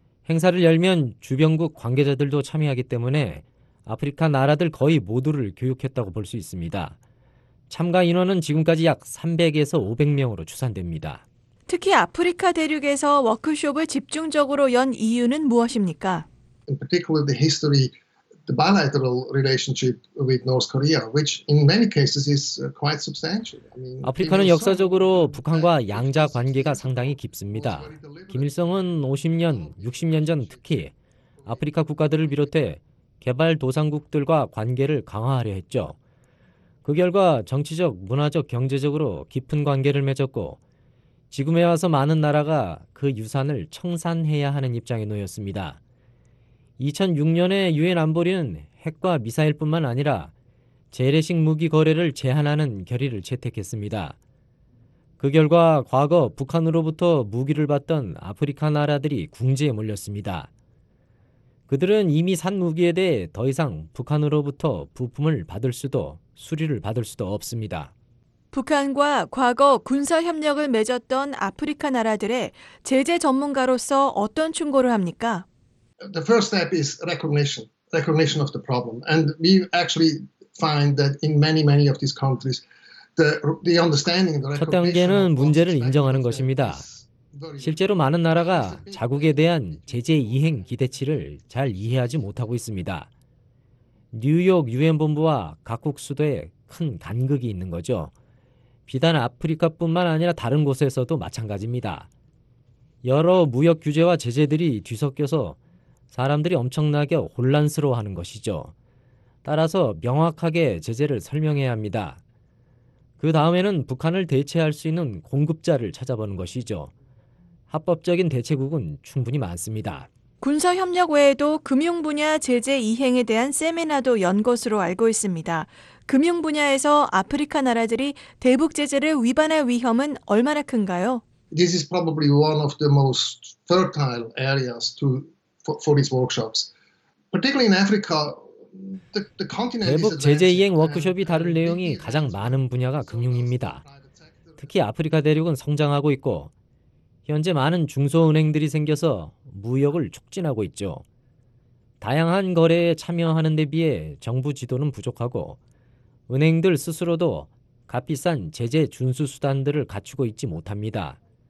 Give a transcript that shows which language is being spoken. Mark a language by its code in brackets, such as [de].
[ko] 행사를 열면 주변국 관계자들도 참여하기 때문에 아프리카 나라들 거의 모두를 교육했다고 볼 수 있습니다. 참가 인원은 지금까지 약 300에서 500명으로 추산됩니다. 특히 아프리카 대륙에서 워크숍을 집중적으로 연 이유는 무엇입니까? [en] In particular, the history, the bilateral relationship with North Korea, which in many cases is quite substantial. [ko] 아프리카는 역사적으로 북한과 양자 관계가 상당히 깊습니다. 김일성은 50년, 60년 전 특히 아프리카 국가들을 비롯해 개발 도상국들과 관계를 강화하려 했죠. 그 결과 정치적, 문화적, 경제적으로 깊은 관계를 맺었고 지금에 와서 많은 나라가 그 유산을 청산해야 하는 입장에 놓였습니다. 2006년에 유엔 안보리는 핵과 미사일뿐만 아니라 재래식 무기 거래를 제한하는 결의를 채택했습니다. 그 결과 과거 북한으로부터 무기를 받던 아프리카 나라들이 궁지에 몰렸습니다. 그들은 이미 산 무기에 대해 더 이상 북한으로부터 부품을 받을 수도 수리를 받을 수도 없습니다. 북한과 과거 군사협력을 맺었던 아프리카 나라들의 제재 전문가로서 어떤 충고를 합니까? [en] The first step is recognition of the problem. And we actually find that in many of these countries, the understanding of the recognition. [ko] 첫 단계는 문제를 인정하는 것입니다. 실제로 많은 나라가 자국에 대한 제재 이행 기대치를 잘 이해하지 못하고 있습니다. 뉴욕 유엔 본부와 각국 수도에 큰 간극이 있는 거죠. 비단 아프리카뿐만 아니라 다른 곳에서도 마찬가지입니다. 여러 무역 규제와 제재들이 뒤섞여서 사람들이 엄청나게 혼란스러워하는 것이죠. 따라서 명확하게 제재를 설명해야 합니다. 그 다음에는 북한을 대체할 수 있는 공급자를 찾아보는 것이죠. 합법적인 대체국은 충분히 많습니다. 군사협력 외에도 금융 분야 제재 이행에 대한 세미나도 연 것으로 알고 있습니다. 금융 분야에서 아프리카 나라들이 대북 제재를 위반할 위험은 얼마나 큰가요? [en] This is probably one of the most fertile areas for these workshops. Particularly in Africa, [ko] 대북 제재 이행 워크숍이 다룰 내용이 가장 많은 분야가 금융입니다. 특히 아프리카 대륙은 성장하고 있고 현재 많은 중소은행들이 생겨서 무역을 촉진하고 있죠. 다양한 거래에 참여하는 데 비해 정부 지도는 부족하고 은행들 스스로도 값비싼 제재 준수 수단들을 갖추고 있지 못합니다.